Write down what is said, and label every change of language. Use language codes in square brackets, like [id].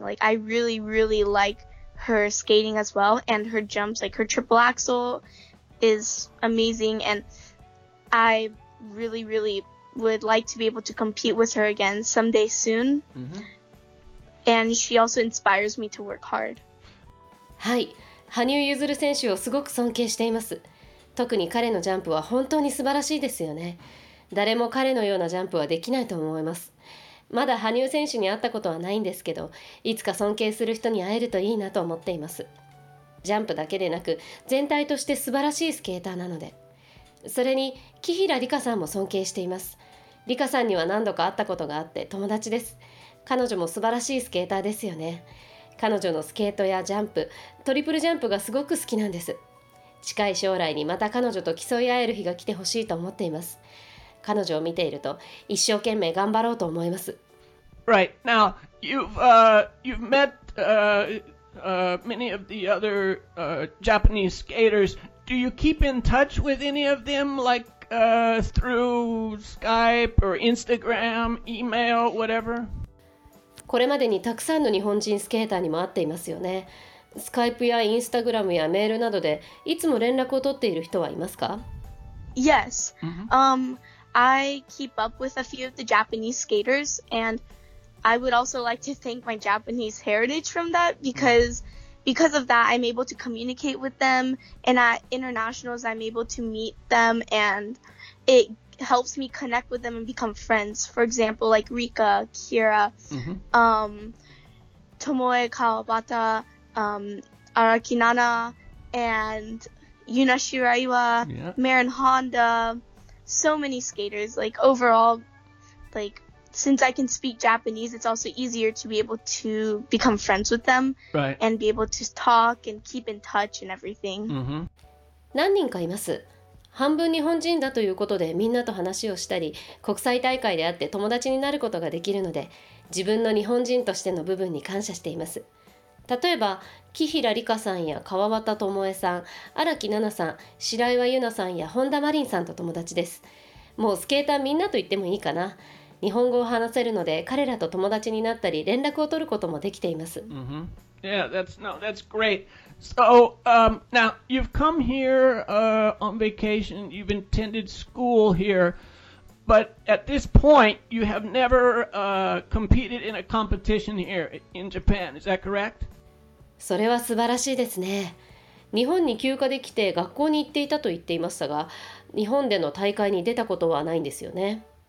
[en] Like, I really, really like her skating as well. And her jumps, like her triple axel is amazing. And I really, really would like to be able to compete with her again someday soon. Mm-hmm. And she also inspires me to work hard. [ja] はい、羽生結弦選手をすごく尊敬しています。特に彼のジャンプは本当に素晴らしいですよね。誰も彼のようなジャンプはできないと思います。まだ羽生選手に会ったことはないんですけど、いつか尊敬する人に会えるといいなと思っています。ジャンプだけでなく、全体として素晴らしいスケーターなので。それに、紀平梨花さんも尊敬しています。梨花さんには何度か会ったことがあって友達です。彼女も素晴らしいスケーターですよね。彼女のスケートやジャンプ、トリプルジャンプがすごく好きなんです。近い将来にまた彼女と競い合える日が来てほしいと思っています。彼女を見ていると、一生懸命頑張ろうと思います。 [en] Right. Now, you've met many of the other Japanese skaters. Do you keep in touch with any of them, like through Skype or Instagram, email, whatever? [ja] これまでにたくさんの日本人スケーターにも会っていますよね。スカイプやインスタグラムやメールなどでいつも連絡を取っている人はいますか？ [en] Yes. I keep up with a few of the Japanese skaters, and I would also like to thank my Japanese heritage from that, because of that, I'm able to communicate with them, and at internationals, I'm able to meet them, and it helps me connect with them and become friends. For example, like Rika, Kira, Tomoe Kawabata, Araki Nana, and Yuna Shiraiwa, Marin Honda, so many skaters. Like overall, like since I can speak Japanese, it's also easier to be able to become friends with them and be able to talk and keep in touch and everything. [ja] 何人かいます。半分日本人だということでみんなと話をしたり、国際大会であって友達になることができるので、自分の日本人としての部分に感謝しています。例えば、紀平梨花さんや川端智恵さん、荒木奈々さん、白岩優奈さんや本田真凛さんと友達です。もうスケーターみんなと言ってもいいかな。日本語を話せるので彼らと友達になったり連絡を取ることもできています。 [en] Yeah, that's great. So, now, you've come here on vacation, you've attended school here, but at this point, you have never competed in a competition here in Japan, is that correct? [ja] それは素晴らしいですね。日本に休暇で来て学校に行っていたと言っていましたが、日本での大会に出たことはないんですよね。